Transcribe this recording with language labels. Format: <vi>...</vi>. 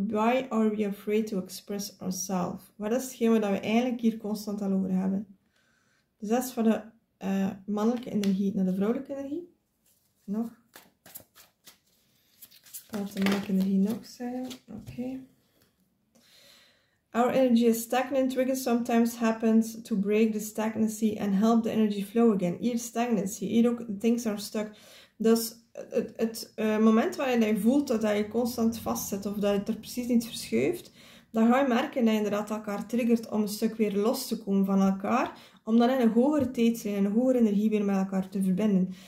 <en>Why are we afraid to express ourselves?</en> <nl>Wat is hetgeen dat we eigenlijk hier constant al over hebben? Dus dat is van de mannelijke energie naar de vrouwelijke energie. Nog. Laat de mannelijke energie nog zijn.</nl> <en>Oké. Our energy is stagnant. Triggers sometimes happens to break the stagnancy and help the energy flow again.</en> <nl>Hier</nl> <en>stagnancy.</en> <nl>Hier ook</nl> <en>things are stuck.</en> <nl>Dus het moment waarin je voelt dat je constant vastzit of dat het er precies niet verschuift, dan ga je merken dat je inderdaad elkaar triggert om een stuk weer los te komen van elkaar, om dan in een hogere tijdslijn, een hogere energie weer met elkaar te verbinden.</nl>